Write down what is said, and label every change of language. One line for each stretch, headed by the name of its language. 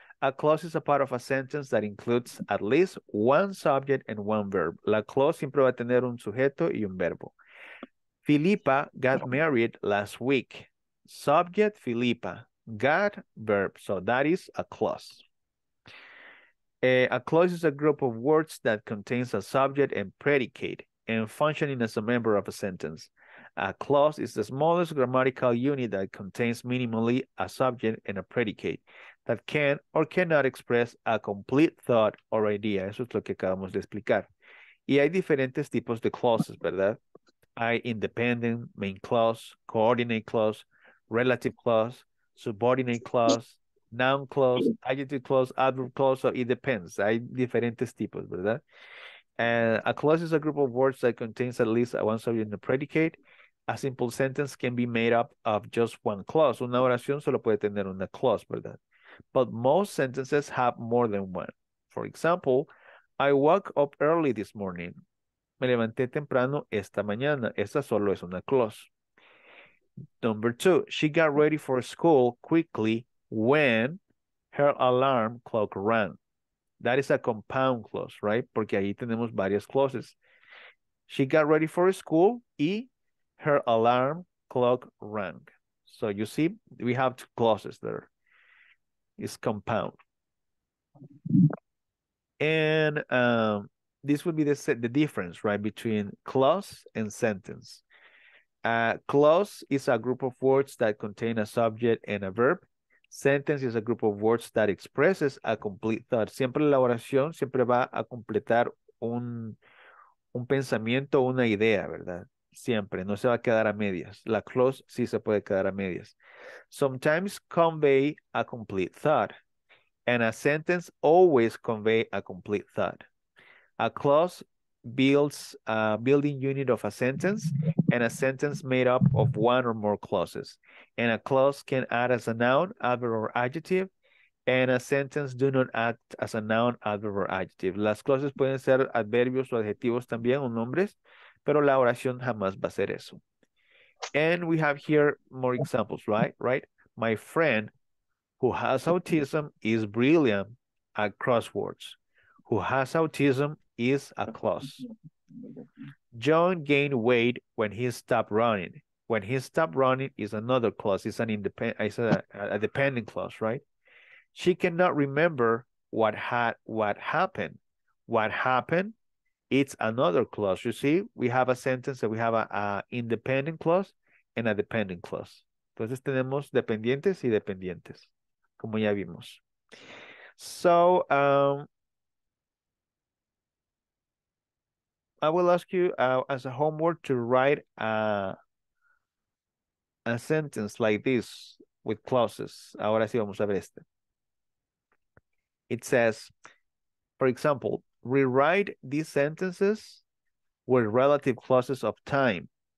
English: A clause is a part of a sentence that includes at least one subject and one verb.
Spanish: La clause siempre va a tener un sujeto y un verbo.
English: Filipa got married last week. Subject, Filipa. Got, verb. So that is a clause. A clause is a group of words that contains a subject and predicate and functioning as a member of a sentence. A clause is the smallest grammatical unit that contains minimally a subject and a predicate that can or cannot express a complete thought or idea.
Spanish: Eso es lo que acabamos de explicar. Y hay diferentes tipos de clauses, ¿verdad?
English: Hay independent, main clause, coordinate clause, relative clause, subordinate clause, noun clause, adjective clause, adverb clause. So it depends.
Spanish: Hay diferentes tipos, ¿verdad?
English: And a clause is a group of words that contains at least one subject and a predicate. A simple sentence can be made up of just one clause.
Spanish: Una oración solo puede tener una clause, ¿verdad?
English: But most sentences have more than one. For example, I woke up early this morning.
Spanish: Me levanté temprano esta mañana. Esa solo es una clause.
English: Number two, she got ready for school quickly when her alarm clock rang. That is a compound clause, right?
Spanish: Porque ahí tenemos varias clauses.
English: She got ready for school y her alarm clock rang. So you see, we have two clauses there. It's compound. And this would be the difference, right, between clause and sentence. Clause is a group of words that contain a subject and a verb. Sentence is a group of words that expresses a complete thought.
Spanish: Siempre la oración siempre va a completar un pensamiento, una idea, ¿verdad? Siempre, no se va a quedar a medias. La clause sí se puede quedar a medias.
English: Sometimes convey a complete thought. And a sentence always convey a complete thought. A clause builds a building unit of a sentence, and a sentence made up of one or more clauses. And a clause can add as a noun, adverb, or adjective, and a sentence do not act as a noun, adverb, or adjective.
Spanish: Las clauses pueden ser adverbios o adjetivos también o nombres, pero la oración jamás va a ser eso.
English: And we have here more examples, right? Right? My friend who has autism is brilliant at crosswords. Who has autism is a clause. John gained weight when he stopped running. When he stopped running is another clause. It's an independent, it's a dependent clause, right? She cannot remember what happened. What happened? It's another clause. You see, we have a sentence that we have a independent clause and a dependent clause.
Spanish: Entonces tenemos dependientes y dependientes, como ya vimos.
English: So, I will ask you as a homework to write a sentence like this with clauses.
Spanish: Ahora sí vamos a ver este.
English: It says, for example, rewrite these sentences with relative clauses of time.